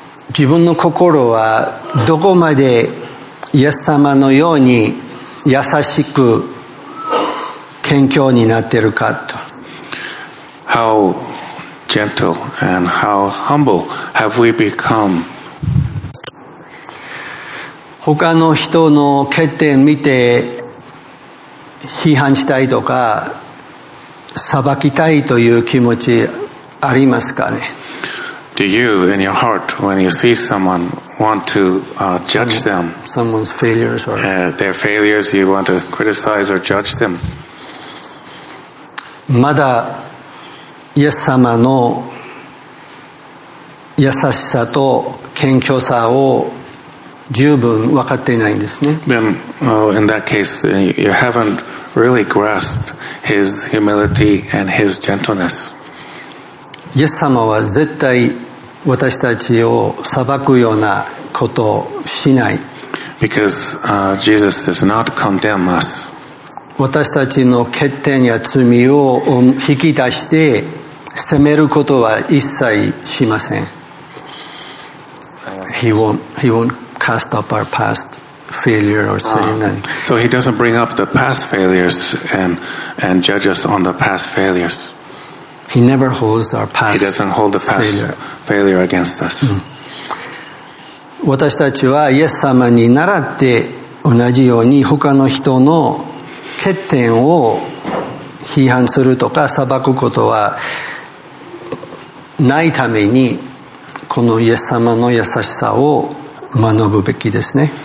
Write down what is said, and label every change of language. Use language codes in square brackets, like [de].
[ja] 自分の心はどこまでイエス様のように優しく謙虚になっているかと。 [en] How gentle and how humble have we become? [ja] 他の人の欠点見て批判したいとか裁きたいという気持ちありますかね。 [en] Do you in your heart when you see someone want to judge them? Someone's failures or their failures, you want to criticize or judge them? [ja] まだイエス様の優しさと謙虚さを十分分かっていないんですね。 [en] Then, in that case, you haven't really grasped his humility and his gentleness. [ja] イエス様は絶対私たちを裁くようなことをしない。 [en] Because, Jesus does not condemn us. [ja] 私たちの欠点や罪を引き出して責めることは一切しません。 [en] He won't. Cast up our past failure or sin. So he doesn't bring up the past failures and judge us on the past failures. He never holds our past. He doesn't hold the past failure against us. [ja] 私たちはイエス様に習って同じように他の人の欠点を批判するとか裁くことはないためにこのイエス様の優しさを学ぶべきですね。